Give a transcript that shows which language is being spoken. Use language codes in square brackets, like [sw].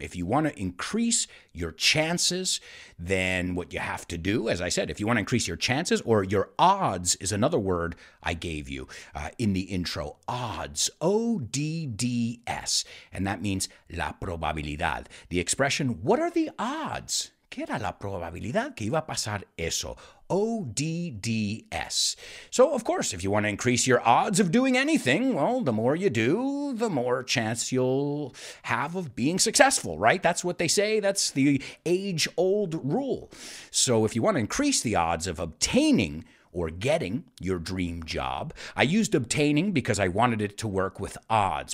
[en] If you want to increase your chances, then what you have to do, as I said, if you want to increase your chances, or your odds is another word I gave you in the intro, odds, O-D-D-S, and that means [es] la probabilidad. [en] The expression, what are the odds? [es] ¿Qué era la probabilidad que iba a pasar eso? [en] O-D-D-S. So, of course, if you want to increase your odds of doing anything, well, the more you do, the more chance you'll have of being successful, right? That's what they say. That's the age-old rule. So if you want to increase the odds of obtaining or getting your dream job, I used obtaining because I wanted it to work with odds.